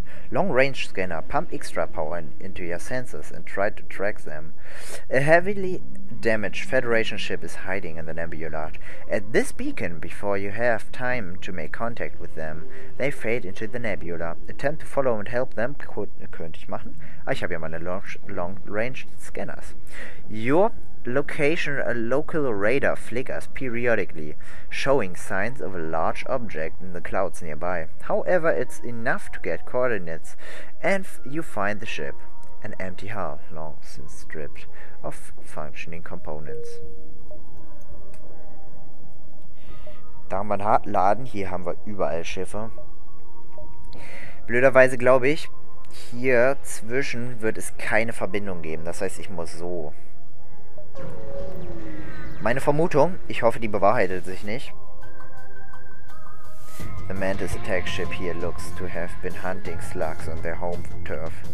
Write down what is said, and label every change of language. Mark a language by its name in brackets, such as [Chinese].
[English] Long range scanner, pump extra power into your senses and try to track them. A heavily damaged Federation ship is hiding in the nebula. At this beacon, before you have time to make contact with them, they fade into the nebula. Attempt to follow and help them. [German] Könnte ich machen? Ah, ich habe ja meine long range scanners. [English] Your location, a local radar flickers periodically, showing signs of a large object in the clouds nearby. However, it's enough to get coordinates, and you find the ship, an empty hull, long since stripped of functioning components. [German] Da haben wir einen harten Laden, hier haben wir überall Schiffe. Blöderweise glaube ich, hier zwischen wird es keine Verbindung geben, das heißt, ich muss so. Meine Vermutung, ich hoffe, die bewahrheitet sich nicht. [English] The Mantis attack ship here looks to have been hunting slugs on their home turf.